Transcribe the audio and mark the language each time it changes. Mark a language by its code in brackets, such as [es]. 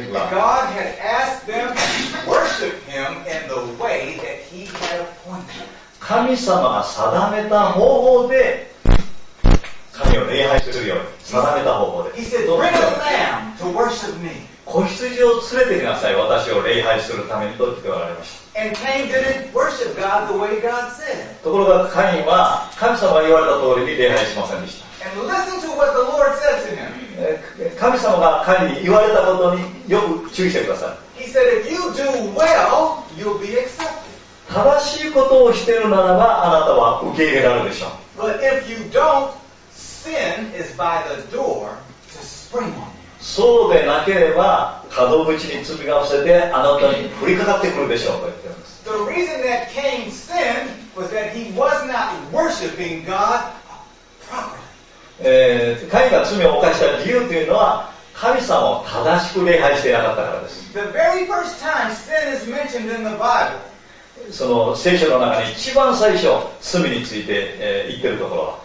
[en] God had asked them to worship him in the way that he had appointed. [ja] 神様が定めた方法で神を礼拝するように定めた方法で。 [en] He said, "Bring a lamb to worship me." [ja] 子羊を連れてきなさい、私を礼拝するためにと言われました。 [en] And Cain didn't worship God the way God said. [ja] ところがカインは神様が言われた通りに礼拝しませんでした。 [en] And listen to what the Lord said to him. [ja] 神様が彼に言われたことによく注意してください。 [en] He said, if you do well, you'll be accepted. [ja] 正しいことをしているならばあなたは受け入れられるでしょう。 [en] But if you don't, sin is by the door to spring on you. [ja] そうでなければ門口に罪が伏せてあなたに降りかかってくるでしょうと言っています。 [en] The reason that Cain sinned was that he was not worshiping God properly. [ja] カインが罪を犯した理由というのは神様を正しく礼拝していなかったからです。 [en] The very first time sin is mentioned in the Bible. [ja] その聖書の中で一番最初罪について、言ってるところは